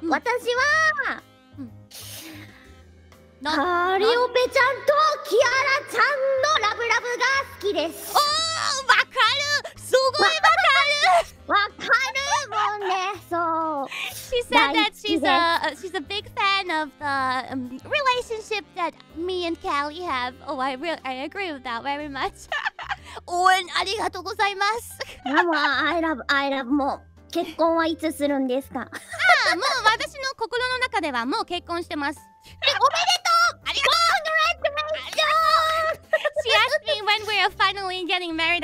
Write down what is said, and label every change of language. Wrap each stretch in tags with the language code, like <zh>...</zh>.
<ja>But, でも、私は…カリオペちゃんとキアラちゃんのラブラブが好きです。おお、わかる、すごいわかる。わかるもんね。そう、</ja> <en>She said that she's a big fan of the relationship that me and Callie have. Oh, I agree with that very much.</en> <ja>応援ありがとうございます。でも、I love も結婚はいつするんですか？あ、もう私の心の中ではもう結婚してます。おめでとう。ありがとう。</ja> <en>Congratulations! She asked me when we are finally getting married.</en>